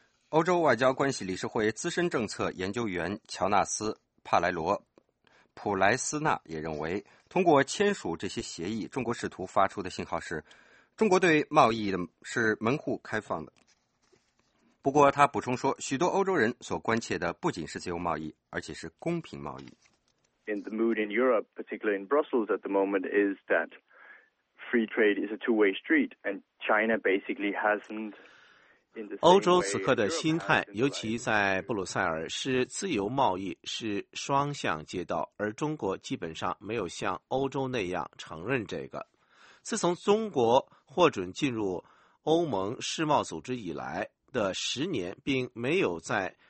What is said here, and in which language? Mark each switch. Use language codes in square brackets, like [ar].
[zh] 欧洲外交关系理事会资深政策研究员乔纳斯·帕莱罗·普莱斯纳也认为，通过签署这些协议，中国试图发出的信号是，中国对贸易的是门户开放的。不过他补充说，许多欧洲人所关切的不仅是自由贸易，而且是公平贸易。 [en] In the mood in Europe, particularly in Brussels at the moment, is that free trade is a two-way street, and China basically hasn't. [zh] 欧洲此刻的心态，尤其在布鲁塞尔，是自由贸易是双向街道，而中国基本上没有像欧洲那样承认这个。自从中国获准进入欧盟世贸组织以来的10年，并没有在